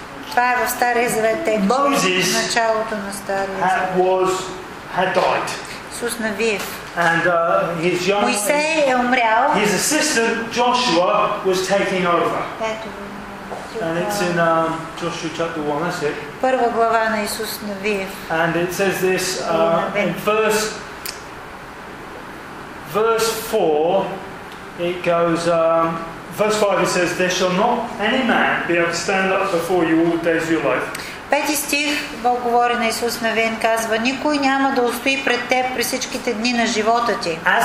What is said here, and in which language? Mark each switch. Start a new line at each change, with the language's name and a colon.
Bulgarian: Това е в Стария Завет текст, началото на Стария Завет.
English: Had died.
Bulgarian: Исус Навиев.
English: And his young
Bulgarian: Моисей е умрял.
English: His assistant Joshua was taking over. And it's in Joshua chapter 1, that's it.
Bulgarian: Първа глава на Исус Навиев.
English: And it says this in verse 5 it says, there shall not any man be able to stand up before you all the days of your life.
Bulgarian: Пети стих, Бог говори на Исус Навин, казва, никой няма да устои пред теб при всичките дни на живота ти.